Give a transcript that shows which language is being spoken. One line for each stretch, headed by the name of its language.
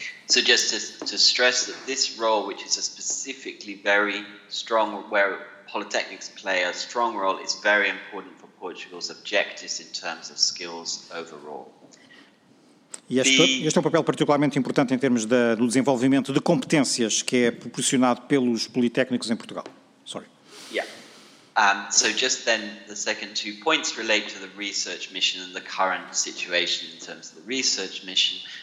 English: So just to stress that this role, which is a specifically very strong, where polytechnics play a strong role, is very important for Portugal's objectives in terms of skills overall.
Portuguese: E este é um papel particularmente importante em termos do desenvolvimento de competências que é proporcionado pelos politécnicos em Portugal.
English: Sorry. Yeah. So just then, the second two points relate to the research mission and the current situation in terms of the research mission.